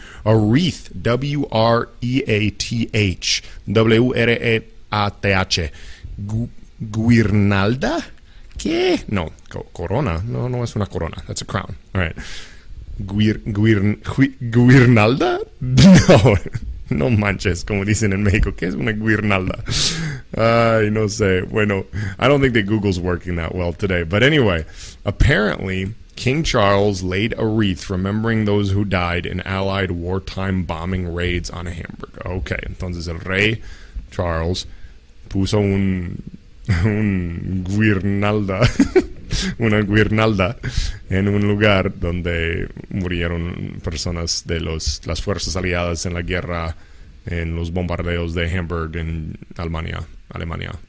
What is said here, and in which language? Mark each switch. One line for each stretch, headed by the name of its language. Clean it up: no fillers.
English: A wreath, W-R-E-A-T-H, W-R-E-A-T-H, guirnalda, ¿qué?
Spanish: No, corona, no, no es una corona,
English: that's a crown, all right.
Spanish: ¿Guirnalda? No, no manches, como dicen en México, ¿qué es una guirnalda? Ay, no sé.
English: Bueno, I don't think that Google's working that well today. But anyway, apparently, King Charles laid a wreath remembering those who died in Allied wartime bombing raids on Hamburg.
Spanish: Okay, entonces el rey Charles puso un guirnalda, una guirnalda en un lugar donde murieron personas de las fuerzas aliadas en la guerra en los bombardeos de Hamburg en Alemania.